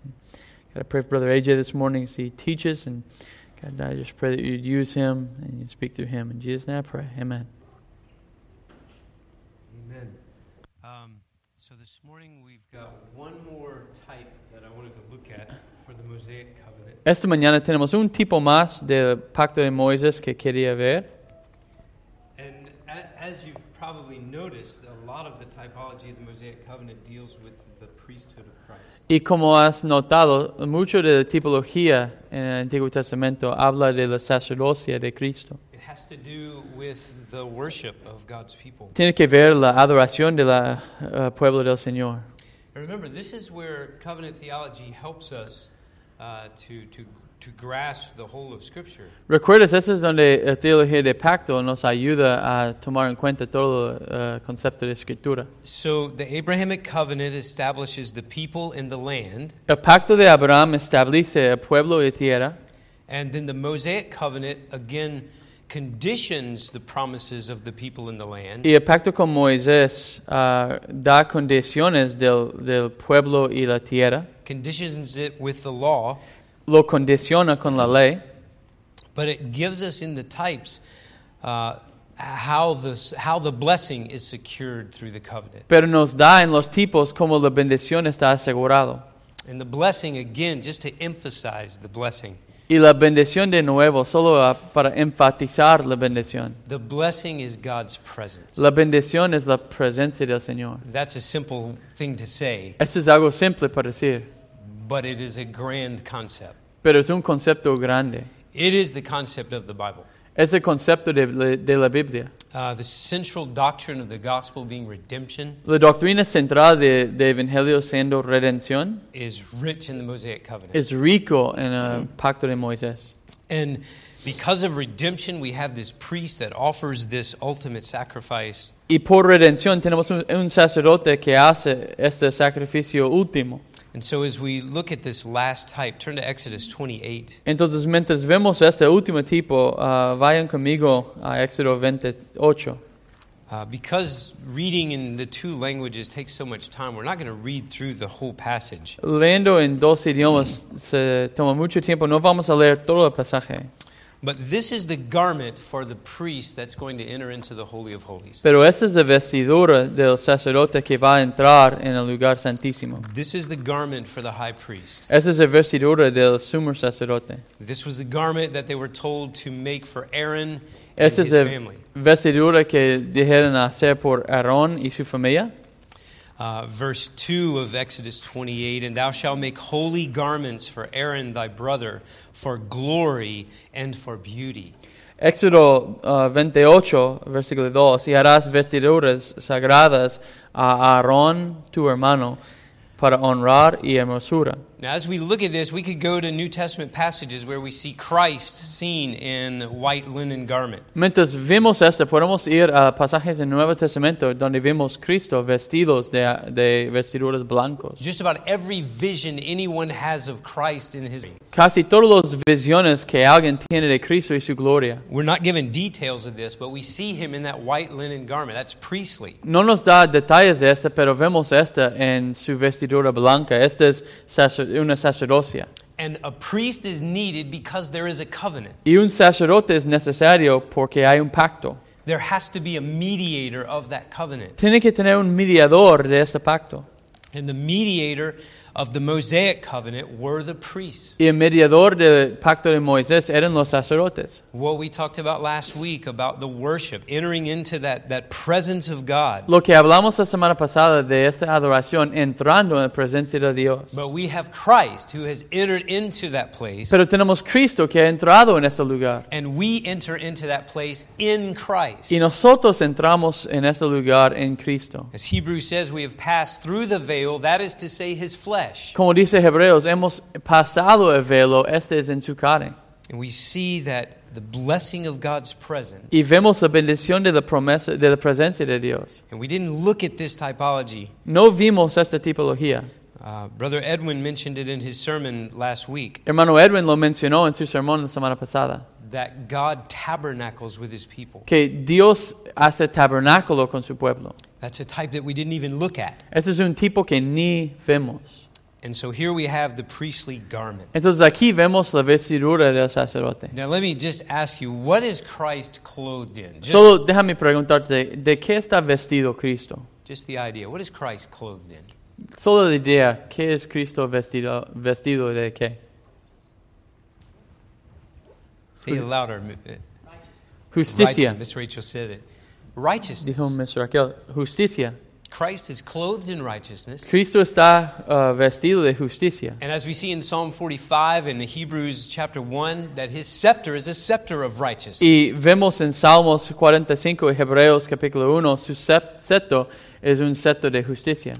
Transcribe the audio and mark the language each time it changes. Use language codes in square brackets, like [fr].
[en] And God, I pray for Brother AJ this morning as he teaches, and God, I just pray that you'd use him and you'd speak through him. In Jesus' name I pray, amen. Amen. So this morning we've got one more type that I wanted to look at for the Mosaic Covenant. [es] Esta mañana tenemos un tipo más del Pacto de Moisés que quería ver. [en] As you've probably noticed, a lot of the typology of the Mosaic Covenant deals with the priesthood of Christ. [es] Y como has notado, mucho de la tipología en el Antiguo Testamento habla de la sacerdocia de Cristo. [en] It has to do with the worship of God's people. [es] Tiene que ver la adoración de la pueblo del Señor. [en] And remember, this is where covenant theology helps us to grasp the whole of Scripture. [es] Recuerdas, eso es donde la teología de pacto nos ayuda a tomar en cuenta todo el concepto de Escritura. [en] So the Abrahamic covenant establishes the people and the land. [es] El pacto de Abraham establece el pueblo y tierra. [en] And then the Mosaic covenant again conditions the promises of the people in the land. [es] Y el pacto con Moisés da condiciones del pueblo y la tierra. [en] Conditions it with the law. [es] Lo condiciona con la ley. [en] But it gives us in the types how the blessing is secured through the covenant. [es] Pero nos da en los tipos como la bendición está asegurado. [en] And the blessing, again, just to emphasize the blessing. [es] Y la bendición de nuevo, solo para enfatizar la bendición. [en] The blessing is God's presence. [es] La bendición es la presencia del Señor. [en] That's a simple thing to say. [es] Eso es algo simple para decir. [en] But it is a grand concept. [es] Pero es un concepto grande. [en] It is the concept of the Bible. [es] Es el concepto de la Biblia. [en] The central doctrine of the gospel being redemption. [es] La doctrina central de Evangelio siendo redención. [en] Is rich in the Mosaic covenant. [es] Es rico en el pacto de Moisés. [en] And because of redemption, we have this priest that offers this ultimate sacrifice. [es] Y por redención tenemos un sacerdote que hace este sacrificio último. [en] And so as we look at this last type, turn to Exodus 28. [es] Entonces, mientras vemos este último tipo, vayan conmigo a Éxodo 28. [en] Because reading in the two languages takes so much time, we're not going to read through the whole passage. [es] Leyendo en dos idiomas se toma mucho tiempo, no vamos a leer todo el pasaje. [en] But this is the garment for the priest that's going to enter into the Holy of Holies. [es] Pero esta es la vestidura del sacerdote que va a entrar en el lugar santísimo. [en] This is the garment for the high priest. [es] Esta es la vestidura del sumo sacerdote. [en] This was the garment that they were told to make for Aaron [es] esta [en] and his family. [es] Esta es la vestidura que dijeron hacer por Aarón y su familia. [en] Verse 2 of Exodus 28, and thou shalt make holy garments for Aaron thy brother for glory and for beauty. [es] Éxodo 28, versículo 2, y harás vestiduras sagradas a Aarón tu hermano para honrar y hermosura. [en] Now as we look at this, we could go to New Testament passages where we see Christ seen in white linen garment. [es] Mientras vemos esto, podemos ir a pasajes del Nuevo Testamento donde vemos Cristo vestidos de vestiduras blancos. [en] Just about every vision anyone has of Christ in his glory. [es] Casi todas las visiones que alguien tiene de Cristo y su gloria. [en] We're not given details of this, but we see him in that white linen garment. That's priestly. [es] No nos da detalles de esto, pero vemos esto en su vestidura blanca. Este es una sacerdocia. [en] And a priest is needed because there is a covenant. [es] Y un sacerdote es necesario porque hay un pacto. [en] There has to be a mediator of that covenant. [es] Tiene que tener un mediador de ese pacto. [en] And the mediator of the Mosaic covenant were the priests. [es] Y el mediador del pacto de Moisés eran los sacerdotes. [en] What we talked about last week about the worship, entering into that presence of God. [es] Lo que hablamos la semana pasada de esa adoración entrando en la presencia de Dios. [en] But we have Christ who has entered into that place. [es] Pero tenemos Cristo que ha entrado en ese lugar. [en] And we enter into that place in Christ. [es] Y nosotros entramos en ese lugar en Cristo. [en] As Hebrews says, we have passed through the veil, that is to say his flesh. [es] Como dice Hebreos, hemos pasado el velo, este es en su carne. [en] And we see that the blessing of God's presence. [es] Y vemos la bendición de la promesa de la presencia de Dios. [en] And we didn't look at this typology. [es] No vimos esta tipología. [en] Brother Edwin mentioned it in his sermon last week. [es] Hermano Edwin lo mencionó en su sermón la semana pasada. [en] That God tabernacles with his people. [es] Que Dios hace tabernáculo con su pueblo. [en] That's a type that we didn't even look at. [es] Ese es un tipo que ni vemos. [en] And so here we have the priestly garment. [es] Entonces aquí vemos la vestidura del sacerdote. [en] Now let me just ask you, what is Christ clothed in? [es] Solo déjame preguntarte, ¿de qué está vestido Cristo? [en] Just the idea, what is Christ clothed in? [es] Solo la idea, ¿qué es Cristo vestido de qué? [en] Say it louder. [es] Justicia. [en] Miss Rachel said it. Righteousness. [es] Dijo Miss Raquel, justicia. [en] Christ is clothed in righteousness. [es] Cristo está vestido de justicia. [en] And as we see in Psalm 45 in Hebrews chapter 1, that his scepter is a scepter of righteousness. [es] Y vemos en Salmos 45 y Hebreos capítulo 1, su scepter es un scepter de justicia.